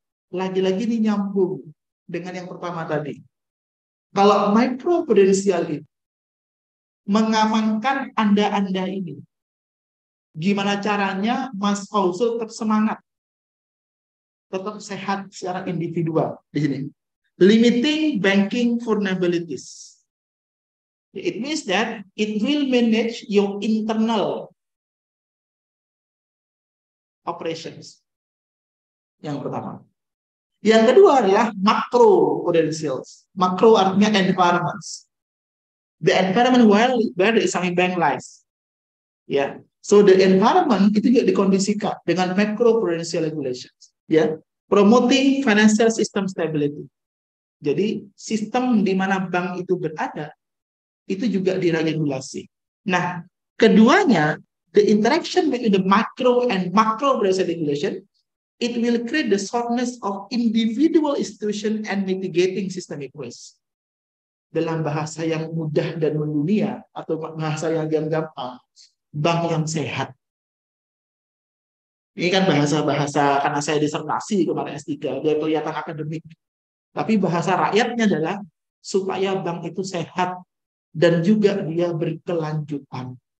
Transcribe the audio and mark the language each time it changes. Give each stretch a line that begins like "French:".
Indonesian: Lagi-lagi ini nyambung dengan yang pertama tadi. Kalau micro prudential itu mengamankan Anda-Anda ini, gimana caranya Mas Fauzul tetap semangat, tetap sehat secara individual di sini.
English: Limiting banking vulnerabilities. It means that it will manage your internal operations.
Indonesian: Yang pertama. Yang kedua adalah macro prudentials.
English: Macro artinya environments. The environment where the Islamic bank lies. Yeah. So the environment
Indonesian: itu juga dikondisikan dengan
English: macro prudential regulations. Yeah. Promoting financial system stability.
Indonesian: Jadi sistem di mana bank itu berada, itu juga diregulasi. Nah, keduanya,
English: the interaction between the micro and macro prudential regulation, it will create the soundness of individual institution and mitigating systemic risk.
Indonesian: Dalam bahasa yang mudah dan mendunia, atau bahasa yang gampang, bank yang sehat. Ini kan bahasa-bahasa, karena saya disertasi kemarin S3, dia kelihatan akademik. Tapi bahasa rakyatnya adalah supaya bank itu sehat dan juga dia berkelanjutan.